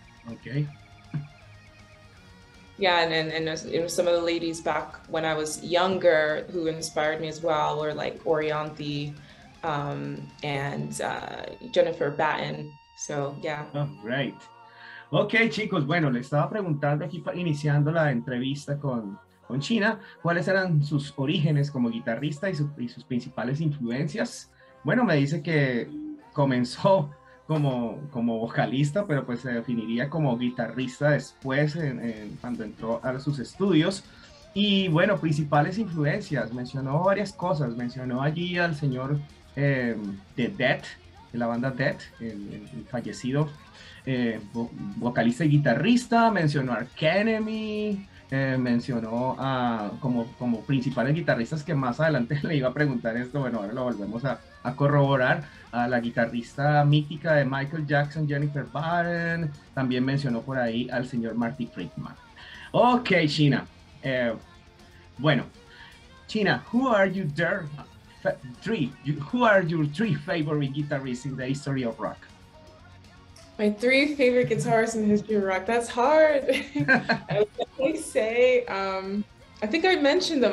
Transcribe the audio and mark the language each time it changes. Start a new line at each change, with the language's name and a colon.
English: Okay. Yeah, and some of the ladies back when I was younger who inspired me as well were like Orianti and Jennifer Batten. So yeah. Oh, right.
Spanish: Ok, chicos, bueno, le estaba preguntando aquí iniciando la entrevista con Chena, ¿cuáles eran sus orígenes como guitarrista y sus principales influencias? Bueno, me dice que comenzó como vocalista, pero pues se definiría como guitarrista después, cuando entró a sus estudios. Y bueno, principales influencias, mencionó varias cosas, mencionó allí al señor de Death, de la banda Death, el fallecido. Vocalista y guitarrista, mencionó a Arch Enemy, mencionó a como principales guitarristas que más adelante le iba a preguntar esto, bueno, ahora lo volvemos a corroborar, a la guitarrista mítica de Michael Jackson, Jennifer Batten, también mencionó por ahí al señor Marty Friedman.
English: Ok, Chena, bueno, Chena, who are your three favorite guitarists in the history of rock? My three favorite guitarists in the history of rock. That's hard. I think I mentioned them.